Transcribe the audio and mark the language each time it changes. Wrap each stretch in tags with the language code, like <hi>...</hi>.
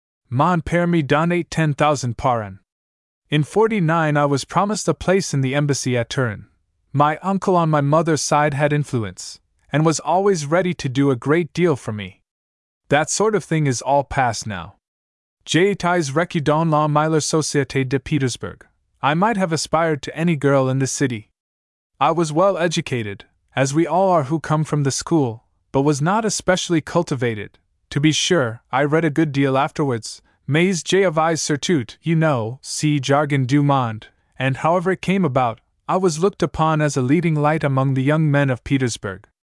<fr>Mon père me donnait 10,000 par an.</fr> <en>In 49 I was promised a place in the embassy at Turin. My uncle on my mother's side had influence, and was always ready to do a great deal for me. That sort of thing is all past now.</en> <fr>J'étais requis dans la meilleure société de Petersburg.</fr> <en>I might have aspired to any girl in the city. I was well educated, as we all are who come from the school, but was not especially cultivated. To be sure, I read a good deal afterwards,</en> <fr>mais j'avais surtout,</fr> <en>you know,</en> <fr>si jargon du monde,</fr> <en>and however it came about, I was looked upon as a leading light among the young men of Petersburg.</en>